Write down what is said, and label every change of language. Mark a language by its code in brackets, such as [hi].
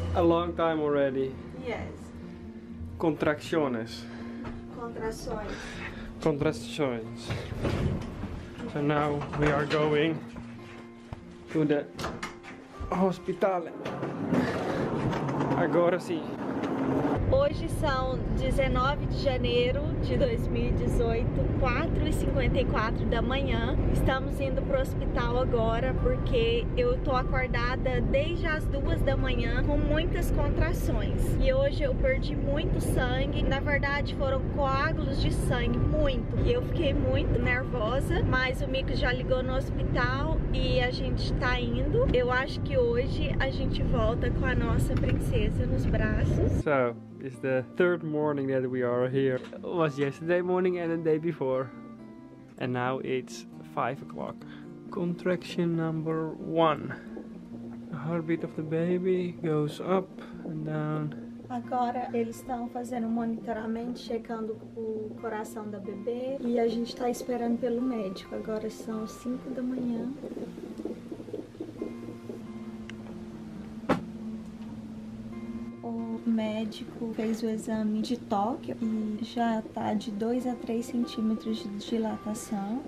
[en] A long time already. Yes. [es] Contracciones. [pt] Contrações. Contrações. [en] So now we are going to the hospital. [pt] Agora sim. Hoje são 19 de janeiro de 2018, 4h54 da manhã. Estamos indo pro hospital agora porque eu tô acordada desde as 2 da manhã com muitas contrações. E hoje eu perdi muito sangue, na verdade foram coágulos de sangue, muito. E eu fiquei muito nervosa, mas o Mico já ligou no hospital e a gente tá indo. Eu acho que hoje a gente volta com a nossa princesa nos braços. [en] So. It's the third morning that we are here. It was yesterday morning and the day before. And now it's 5 o'clock. Contraction number one. The heartbeat of the baby goes up and down. [pt] Agora eles estão fazendo monitoramento, checando o coração da bebê. E a gente está esperando pelo médico. Agora são 5 da manhã. O médico fez o exame de toque e já tá de 2 a 3 centímetros de dilatação.